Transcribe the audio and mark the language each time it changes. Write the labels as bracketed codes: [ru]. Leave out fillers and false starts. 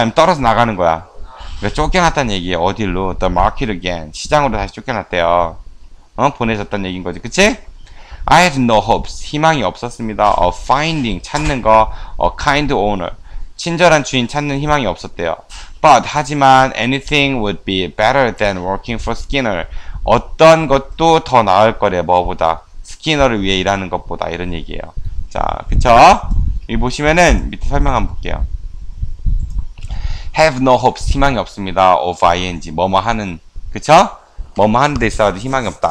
[ko] 아니면 떨어져 나가는 거야? 그러니까 쫓겨났다는 얘기예요. 어디로? [en] The market again. [ko] 시장으로 다시 쫓겨났대요. 보내졌다는 얘기인 거지. 그치? [en] I had no hopes. [ko] 희망이 없었습니다. [en] A finding. [ko] 찾는 거. [en] A kind owner. [ko] 친절한 주인 찾는 희망이 없었대요. [en] But [ko] 하지만 [en] anything would be better than working for Skinner. [ko] 어떤 것도 더 나을 거래 뭐보다 스키너를 위해 일하는 것보다 이런 얘기예요. 자, 그쵸? 여기 보시면은 밑에 설명 한번 볼게요. [en] Have no hopes, [ko] 희망이 없습니다. [en] Of ing, [ko] 뭐뭐 하는, 그쵸? 뭐뭐 하는 데 있어도 희망이 없다.